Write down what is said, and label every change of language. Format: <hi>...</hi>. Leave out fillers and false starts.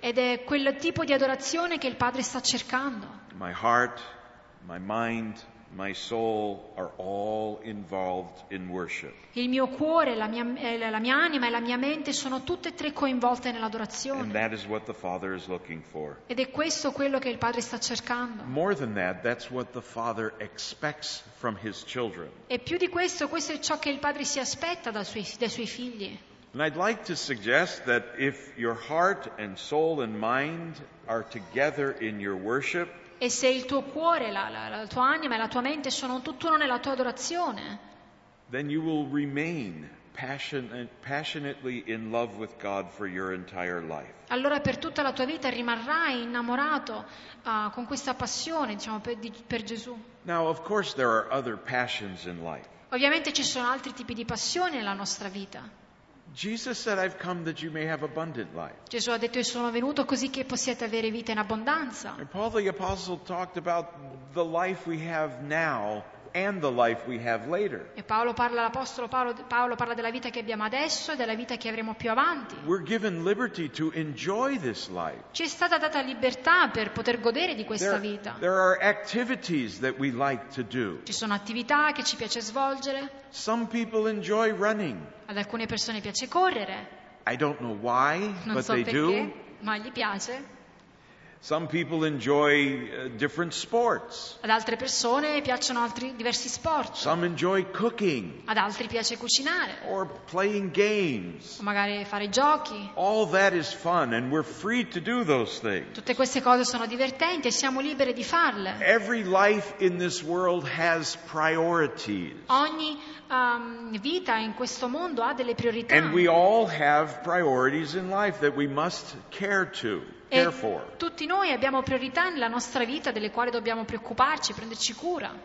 <it>Ed è quel tipo di adorazione che il Padre sta cercando.</it> <en>My heart, my mind, my soul are all involved in worship.</en> <it>Il mio cuore, la mia anima e la mia mente sono tutte e tre coinvolte nell'adorazione.</it> <en>And that is what the Father is looking for.</en> <it>Ed è questo quello che il Padre sta cercando.</it> <en>More than that, that's what the Father expects from his children.</en> <it>E più di questo, questo è ciò che il Padre si aspetta dai suoi figli.</it> <en>And I'd like to suggest that if your heart and soul and mind are together in your worship,</en> <it>e se il tuo cuore, la tua anima e la tua mente sono tutt'uno nella tua adorazione,</it> <en>then you will remain passionately in love with God for your entire life.</en> <it>Allora per tutta la tua vita rimarrai innamorato con questa passione, diciamo, per Gesù.</it> <en>Now, of course, there are other passions in life.</en> <it>Ovviamente ci sono altri tipi di passioni nella nostra vita.</it> <en>Jesus said, "I've come that you may have abundant life."</en> <it>Gesù ha detto, sono venuto così che possiate avere vita in abbondanza.</it> <en>Paul the apostle talked about the life we have now and the life we have later.</en> <it>E Paolo parla della vita che abbiamo adesso e della vita che avremo più avanti.</it> <en>We're given liberty to enjoy this life.</en> <it>Ci è stata data libertà per poter godere di questa vita.</it> <en>There are activities that we like to do.</en> <it>Ci sono attività che ci piace svolgere.</it> <en>Some people enjoy running.</en> <it>Ad alcune persone piace correre.</it> <en>I don't know why,</en> <it>non</it> <en>but so they</en> <it>perché,</it> <en>do.</en> <it>Ma gli piace.</it> <en>Some people enjoy different sports.</en> <it>Ad altre persone piacciono altri diversi sport.</it> <en>Some enjoy cooking.</en> <it>Ad altri piace cucinare.</it> <en>Or playing games.</en> <it>O magari fare giochi.</it> <en>All that is fun and we're free to do those things.</en> <it>Tutte queste cose sono divertenti e siamo liberi di farle.</it> <en>Every life in this world has priorities.</en> <it>Ogni vita in questo mondo ha delle priorità.</it> <en>And we all have priorities in life that we must care for.</en> <it>Tutti noi abbiamo priorità nella nostra vita delle quali dobbiamo preoccuparci, prenderci cura.</it>